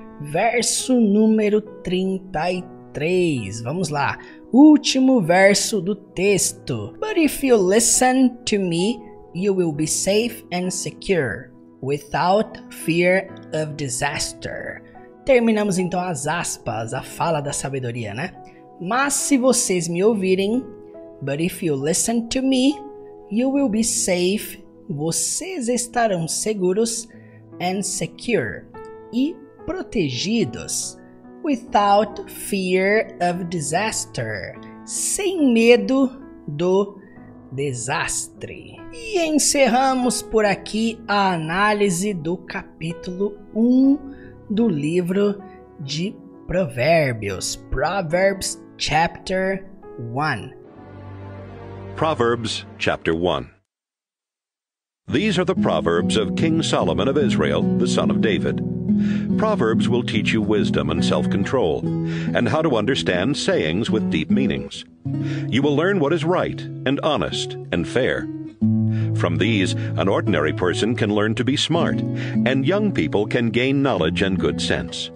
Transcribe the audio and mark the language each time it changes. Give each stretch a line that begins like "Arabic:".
Portuguese: Verso número 33, vamos lá, último verso do texto.
English: But if you listen to me, you will be safe and secure, without fear of disaster.
Portuguese: Terminamos então as aspas, a fala da sabedoria, né? Mas se vocês me ouvirem,
English: but if you listen to me, you will be safe,
Portuguese: vocês estarão seguros,
English: and secure,
Portuguese: e protegidos,
English: without fear of disaster,
Portuguese: sem medo do desastre. E encerramos por aqui a análise do capítulo 1 do livro de Provérbios,
English: Proverbs Chapter 1. Proverbs Chapter 1. These are the Proverbs of King Solomon of Israel, the son of David. Proverbs will teach you wisdom and self-control, and how to understand sayings with deep meanings. You will learn what is right and honest and fair. From these, an ordinary person can learn to be smart, and young people can gain knowledge and good sense.